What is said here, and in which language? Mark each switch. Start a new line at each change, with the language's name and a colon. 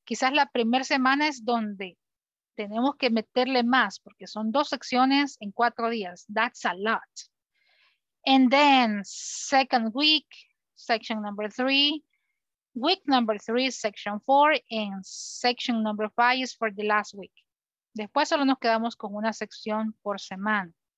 Spanish: Quizás la primera semana es donde tenemos que meterle más porque son 2 secciones en 4 días.
English: That's a lot. And then second week, section number 3, week number 3, section 4, and section number 5 is for the last week.
Spanish: Después solo nos quedamos con una sección por semana.